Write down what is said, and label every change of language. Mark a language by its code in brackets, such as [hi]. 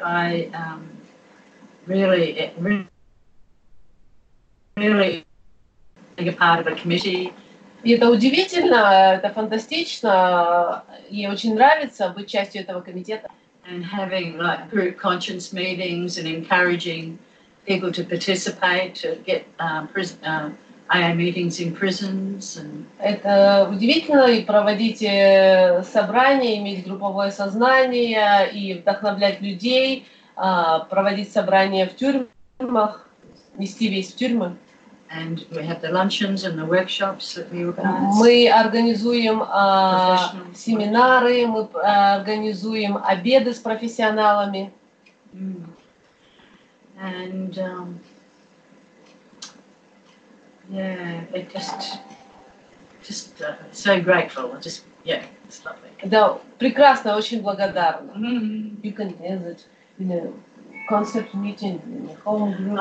[en] I really being a part of a committee. [ru] И это удивительно, это фантастично. Ей очень нравится быть частью этого комитета. [en] And having like group conscience meetings and encouraging people to participate, to get AA meetings in prisons. [ru] Это удивительно, и проводить собрания, иметь групповое сознание и вдохновлять людей, проводить собрания в тюрьмах, нести весь в тюрьмы. [en] And we have the luncheons and the workshops that we organize. [ru] Мы организуем семинары, мы организуем обеды с профессионалами. [en] And yeah, it just so grateful. Just yeah, it's lovely. [ru] Да, прекрасно, очень благодарна. [en] You can hear it, you know, concept meeting, you know, home group.